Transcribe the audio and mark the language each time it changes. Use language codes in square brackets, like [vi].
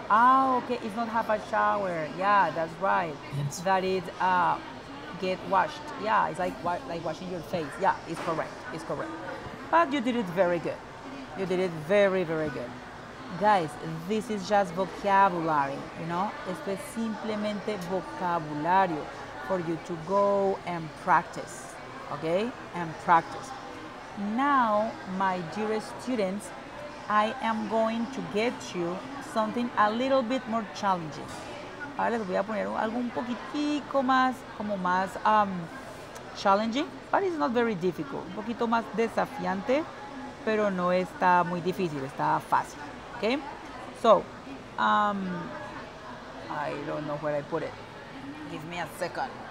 [en] Ah, okay, it's not have a shower. Yeah, that's right. Yes. That is get washed. Yeah, it's like washing your face. Yeah, it's correct. But you did it very good. You did it very, very good. Guys, this is just vocabulary, you know? [es] Esto es simplemente vocabulario. [en] For you to go and practice, okay? And practice. Now, my dear students, I am going to get you something a little bit more challenging. [es] Ahora les voy a poner algo un poquitico más, como más challenging, [en] but it's not very difficult. [es] Un poquito más desafiante, pero no está muy difícil, está fácil. [en] Okay? So, I don't know where I put it. Give me a second.